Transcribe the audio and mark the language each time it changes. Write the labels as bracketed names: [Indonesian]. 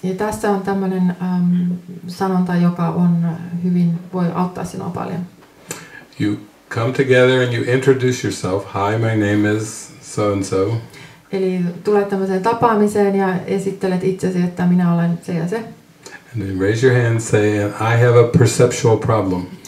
[Finnish] Ja tässä on tämmöinen sanonta, joka on hyvin voi auttaa sinua paljon. [English] You come together and you introduce yourself. Hi, my name is so and so. [Finnish] Eli tulet tämmöiseen tapaamiseen ja esittelet itsesi, että minä olen se ja se. [English] And then raise your hand and say, I have a perceptual problem.